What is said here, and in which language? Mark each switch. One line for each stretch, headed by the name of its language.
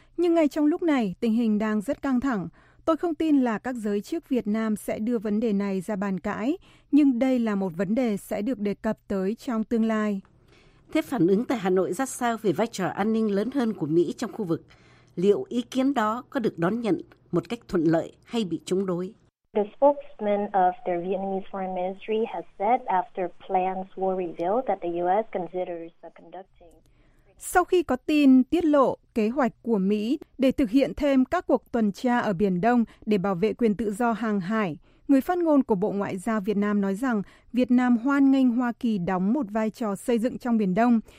Vietnamese: Nhưng ngay trong lúc này, tình hình đang rất căng thẳng. Tôi không tin là các giới chức Việt Nam sẽ đưa vấn đề này ra bàn cãi, nhưng đây là một vấn đề sẽ được đề cập tới trong tương lai. Thế phản ứng tại Hà Nội ra sao về vai trò an ninh lớn hơn của Mỹ trong khu vực? Liệu ý kiến đó có được đón nhận một cách thuận lợi hay bị chống đối?
English: The spokesman of the Vietnamese Foreign Ministry has said after plans were revealed that the U.S. considers conducting.
Vietnamese: Sau khi có tin tiết lộ kế hoạch của Mỹ để thực hiện thêm các cuộc tuần tra ở Biển Đông để bảo vệ quyền tự do hàng hải, người phát ngôn của Bộ Ngoại giao Việt Nam nói rằng Việt Nam hoan nghênh Hoa Kỳ đóng một vai trò xây dựng trong Biển Đông.